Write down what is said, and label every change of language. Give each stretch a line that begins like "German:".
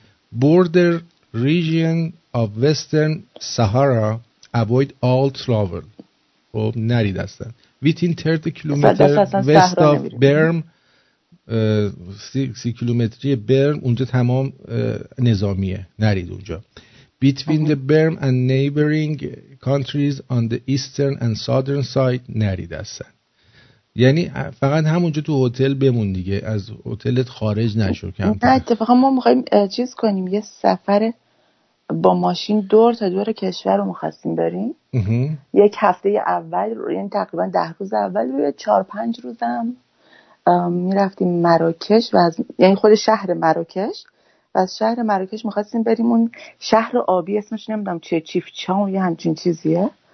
English: border region of Western Sahara avoid all travel,
Persian: خب نرید اصلا.
English: Within
Persian: 30 کیلومتر
English: west of Berm،
Persian: 30 کیلومتری برم، اونجا تمام نظامیه، نرید اونجا.
English: Between the Berm and neighboring countries on the eastern and southern side،
Persian: نرید هستن. یعنی فقط همونجا تو هتل بمون دیگه، از هتلت خارج نشو کمتر. نه اتفاقا ما میخواییم چیز کنیم، یه سفر با ماشین دور تا دور کشور رو می‌خواستیم بریم. یک هفته اول، یعنی تقریبا 10 روز اول، روی 4-5 روزم می‌رفتیم مراکش و از، یعنی خود شهر مراکش، و از شهر مراکش می‌خواستیم بریم اون شهر آبی، اسمش نمیدونم چیه، چیف چاو یا همچین چیزیه.